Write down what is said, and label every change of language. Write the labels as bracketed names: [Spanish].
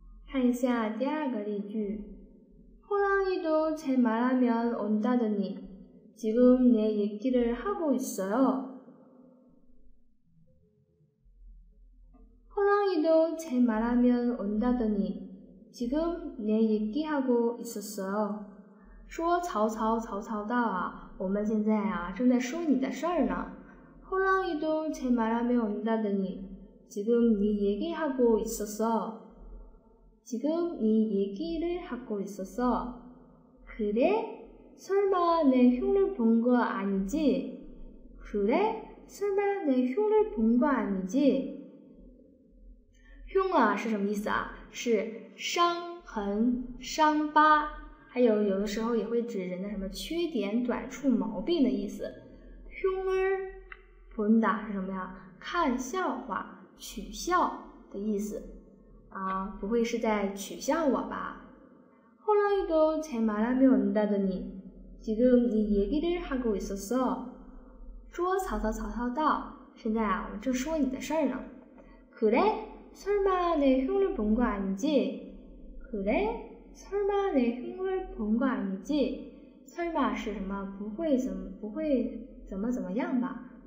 [Chinese] 看一下第二个例句 [Korean] 호랑이도제말하면온다더니지금내얘기를하고있어요호랑이도제말하면온다더니지금내얘기하고있었어요 [Chinese] 说曹操曹操到啊，我们现在啊正在说你的事儿呢。 [Korean] 호랑이도제말하면온다더니지금네얘기하고있었어 지금네얘기를하고있었어 그래설마내흉을본거아니지그래설마내흉을본거아니지 [Chinese] 흉啊是什么意思啊？是伤痕、伤疤，还有有的时候也会指人的什么缺点、短处、毛病的意思。 흉儿본다是什么呀？ 看笑话、取笑的意思。啊，不会是在取笑我吧？ [Korean] 호랑이도제말하면온다더니지금이얘기를하고있었어 [Chinese] 说曹操，曹操道，现在啊，我正说你的事儿呢。 [Korean] 그래설마내흉을본거아니지그래설마내흉을본거아니지설마 [Chinese] 是什么？不会怎么，不会怎么怎么样吧？